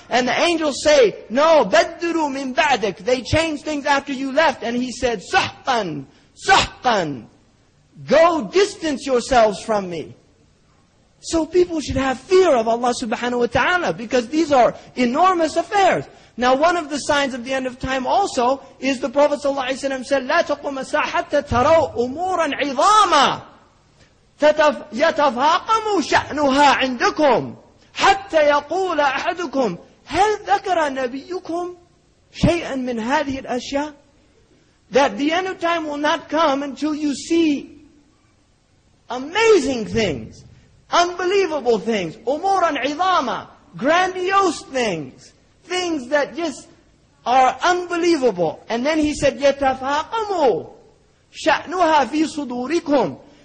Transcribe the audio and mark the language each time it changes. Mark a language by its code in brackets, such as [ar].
[en] And the angels say, no, [ar] badduru min ba'dik. [en] They change things after you left. And he said, [ar] suhqan, suhqan. [en] Go distance yourselves from me. So people should have fear of Allah subhanahu wa ta'ala, because these are enormous affairs. Now one of the signs of the end of time also is the Prophet ﷺ said, [ar] لا تقوم الساعة حتى تروا أمورا عظاما يتفاقم شأنها عندكم حتى يقول أحدكم هل ذكر نبيكم شيئا من هذه الأشياء. [en] that the end of time will not come until you see amazing things, unbelievable things, [ar] umuran idama, [en] grandiose things, things that just are unbelievable. And then he said, [ar] yatafaqamu sha'nuha fi sudurikum.